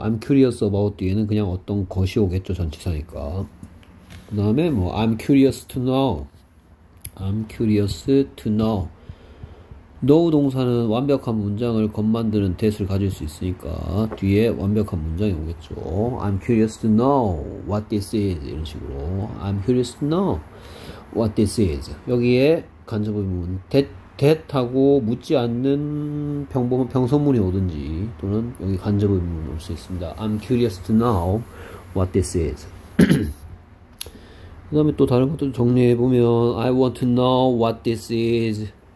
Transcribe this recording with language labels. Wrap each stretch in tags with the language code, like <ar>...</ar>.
<en>I'm curious about</en> <ko>뒤에는 그냥 어떤 것이 오겠죠, 전치사니까. 그 다음에 뭐</ko> <en>I'm curious to know.</en> <ko>know 동사는 완벽한 문장을 겉만드는 that을 가질 수 있으니까 뒤에 완벽한 문장이 오겠죠.</ko> <en>I'm curious to know what this is</en> <ko>이런 식으로.</ko> <en>I'm curious to know what this is.</en> <ko>여기에 간접 의문문 that하고 묻지 않는 평소문이 오든지 또는 여기 간접 의문이 올수 있습니다.</ko> <en>I'm curious to know what this is.</en> <ko>그 다음에 또 다른 것도 정리해 보면</ko> <en>I want to know what this is.</en>